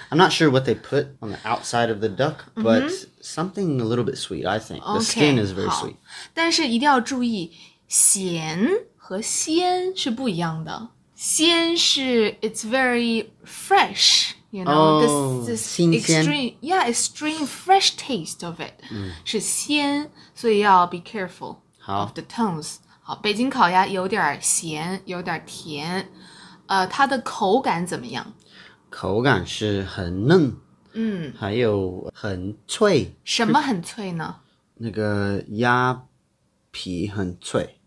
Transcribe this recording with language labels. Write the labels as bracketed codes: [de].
[en] I'm not sure what they put on the outside of the duck, but something a little bit sweet, I think. The skin is very sweet. [zh] 但是一定要注意，咸和鲜是不一样的。 [en] 鲜是 it's very fresh, you know, extreme fresh taste of it. [zh] 是鲜，所以要 [en] be careful of the tones. [zh] 好，北京烤鸭有点咸，有点甜，它的口感怎么样？口感是很嫩，嗯，还有很脆。什么很脆呢？那个鸭皮很脆。